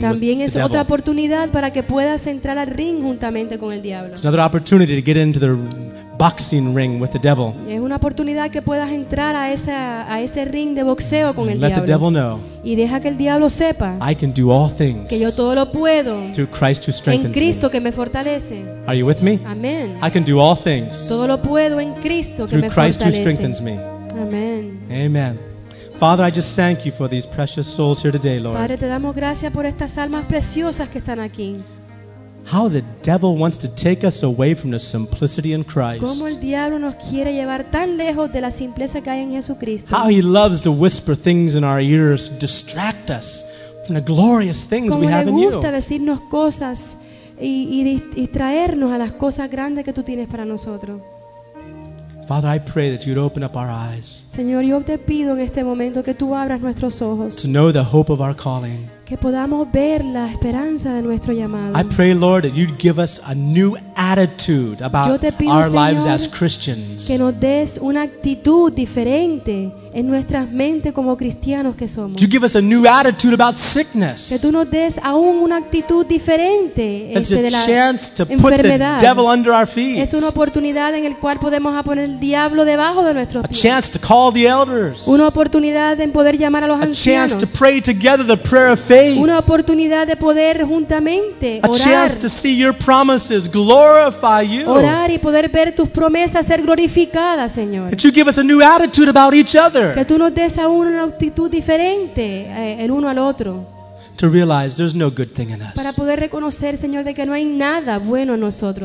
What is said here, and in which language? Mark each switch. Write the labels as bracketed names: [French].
[Spanish] También [English] with [Spanish] es [English] the devil. [Spanish] Otra oportunidad para que puedas entrar al ring juntamente con el diablo. [English] It's another opportunity to get into the boxing ring with the devil. [Spanish] Es una oportunidad que puedas entrar a ese ring de boxeo con el diablo. [English] Let the devil know. [Spanish] Y deja que el diablo sepa. [English] I can do all things. [Spanish] Que yo todo lo puedo. [English] Through Christ who strengthens me. [Spanish] En Cristo que me fortalece. [English] Are you with me? [Spanish] Amen. [English] I can do all things. [Spanish] Todo lo puedo en Cristo que [English] through [Spanish] me [English] Christ [Spanish] fortalece. [English] Who strengthens me. Amen. [Spanish] Amen. [English] Father, I just thank you for these precious souls here today, Lord. [Spanish] Padre, te damos gracias por estas almas preciosas que están aquí. [English] How the devil wants to take us away from the simplicity in Christ. [Spanish] Cómo el diablo nos quiere llevar tan lejos de la simpleza que hay en Jesucristo. [English] How he loves to whisper things in our ears, distract us from the glorious things we have in you. [Spanish] Cómo le gusta decirnos cosas y distraernos a las cosas grandes que tú tienes para nosotros. [English] Father, I pray that you'd open up our eyes. [Spanish] Señor, yo te pido en este momento que tú abras nuestros ojos. [English] To know the hope of our calling. [Spanish] que podamos ver la esperanza de nuestro llamado. [English] I pray, Lord, that you'd give us a new attitude about our lives as Christians. [Spanish] Que nos des una actitud diferente en nuestras mentes como cristianos que somos. [English] You give us a new attitude about sickness. [Spanish] Que tú nos des aún una actitud diferente de la enfermedad. [English] Put the devil under our feet. [Spanish] Es una oportunidad en el cual podemos poner el diablo debajo de nuestros pies. [English] A chance to call the elders. [Spanish] Una oportunidad en poder llamar a los ancianos. [English] A chance to pray together the prayer of faith. [Spanish] Una oportunidad de poder juntamente orar. [English] A chance to see your promises glorify you. [Spanish] Orar y poder ver tus promesas ser glorificadas, Señor. [English] That you give us a new attitude about each other. [Spanish] Que tú nos des a uno una actitud diferente el uno al otro. [English] To realize there's no good thing in us. [Spanish] Para poder reconocer, Señor, de que no hay nada bueno en nosotros.